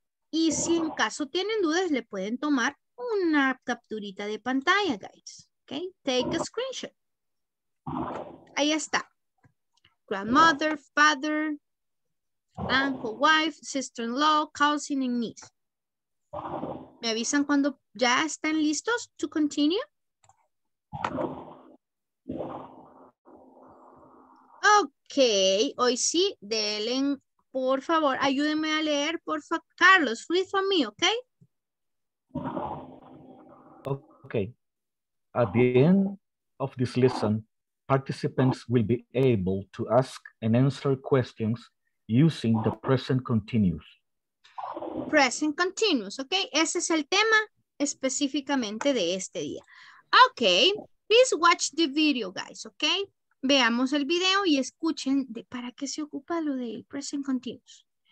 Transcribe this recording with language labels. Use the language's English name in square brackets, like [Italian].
[Spanish] Y si en caso tienen dudas, le pueden tomar una capturita de pantalla, guys. [English] Okay, take a screenshot. [Spanish] Ahí está. [English] Grandmother, father, uncle, wife, sister-in-law, cousin, and niece. [Spanish] ¿Me avisan cuando ya están listos [English] to continue? [Spanish] Ok, hoy sí, denle, por favor, ayúdenme a leer, por favor. [English] Carlos, read for me, ok? Ok. At the end of this lesson, participants will be able to ask and answer questions using the present continuous. Present continuous, ok? [Spanish] Ese es el tema específicamente de este día. [English] Ok, please watch the video, guys, ok? [Spanish] Veamos el video y escuchen de para qué se ocupa lo del present continuous.